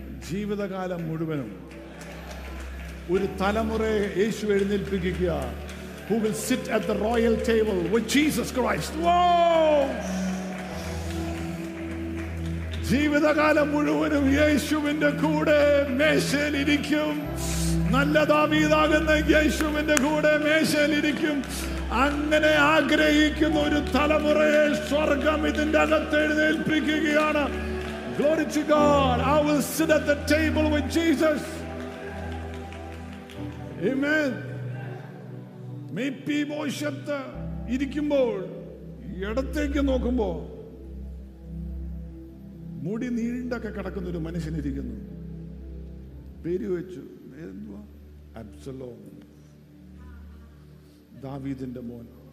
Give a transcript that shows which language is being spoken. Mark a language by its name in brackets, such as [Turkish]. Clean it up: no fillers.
[Malayalam] ജീവിതകാലം മുഴുവനും ഒരു തലമുറയെ യേശു എഴുന്നേൽപ്പിക്കുക. [English] who will sit at the royal table with Jesus Christ. Whoa! [Malayalam] ജീവിതകാലം മുഴുവനും യേശുവിന്റെ കൂടെ മേശയിലിരിക്കും. നല്ല ദാവീദാകുന്ന യേശുവിന്റെ കൂടെ മേശയിലിരിക്കും. അങ്ങനെ ആഗ്രഹിക്കുന്ന ഒരു തലമുറയെ സ്വർഗം ഇതിന്റെ അകത്ത് എഴുന്നേൽപ്പിക്കുകയാണ്. [English] Glory to God. I will sit at the table with Jesus. Amen. [Malayalam] മേപ്പിവശത്ത് ഇരിക്കുമ്പോൾ ഇടത്തേക്ക് നോക്കുമ്പോൾ മുടി നീണ്ടൊക്കെ കിടക്കുന്ന ഒരു മനുഷ്യനിരിക്കുന്നു. പേര് വെച്ചു എന്തുവാ? അബ്സലോം, ദാവീദിന്റെ മോൻ.